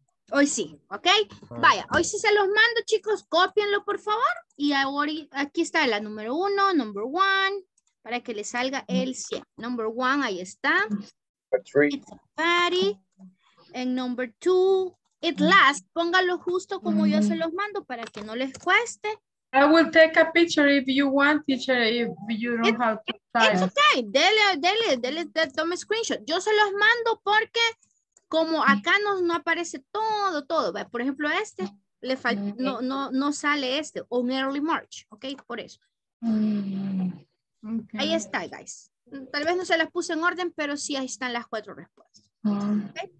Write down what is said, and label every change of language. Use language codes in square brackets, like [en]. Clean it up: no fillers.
[es] Hoy sí, ¿ok? Vaya, hoy sí se los mando, chicos. Cópienlo, por favor. Y ahora aquí está la número uno, [en] number one, [es] para que le salga el 100. [en] Number one, [es] ahí está. [en] It's a party. [es] En [en] number two, it last, [es] póngalo justo como yo se los mando para que no les cueste. [en] I will take a picture if you want, teacher, if you don't have time. It's okay, [es] dele, tome screenshot. Yo se los mando porque como acá no aparece todo. Por ejemplo, este, le falta, no sale este, [en] on early March, [es] ok, por eso. [en] Okay. [es] Ahí está, guys. Tal vez no se las puse en orden, pero sí, ahí están las cuatro respuestas. [en] Okay.